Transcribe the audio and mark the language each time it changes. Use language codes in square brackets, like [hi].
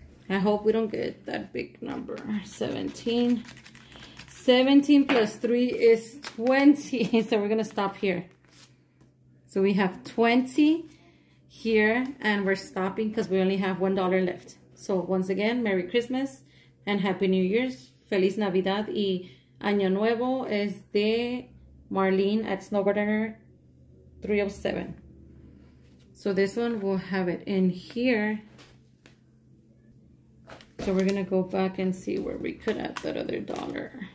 [en] I hope we don't get that big number. 17. 17 plus 3 is 20. So we're going to stop here. So we have 20 here and we're stopping because we only have $1 left. So once again, Merry Christmas and Happy New Year's. [es] Feliz Navidad y Año Nuevo es de Marlene at Snow Gardener 307. [en] So this one will have it in here. So we're going to go back and see where we could add that other dollar.